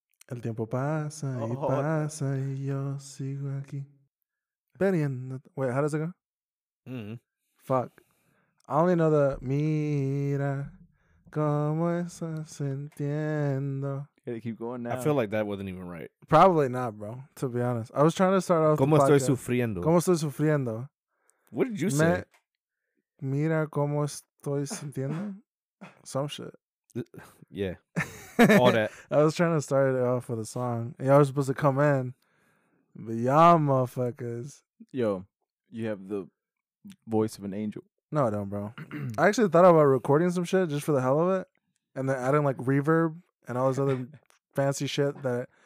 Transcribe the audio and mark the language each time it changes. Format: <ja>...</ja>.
<es>El tiempo pasa y pasa y yo sigo aquí.</es> <en>Wait, how does it go? Fuck. I only know the</en> <es>mira cómo estás entiendo.</es> <en>Gotta keep going now. I feel like that wasn't even right. Probably not, bro, to be honest. I was trying to start off</en> <es>¿Cómo estoy sufriendo? ¿Cómo estoy sufriendo?</es> <en>What did you say?</en> <es>Mira cómo estoy sintiendo.</es> <en>Some shit. Yeah. All that. I was trying to start it off with a song. Y'all were supposed to come in. But y'all motherfuckers. Yo, you have the voice of an angel. No, I don't, bro. I actually thought about recording some shit just for the hell of it. And then adding like reverb and all this other fancy shit that...</en>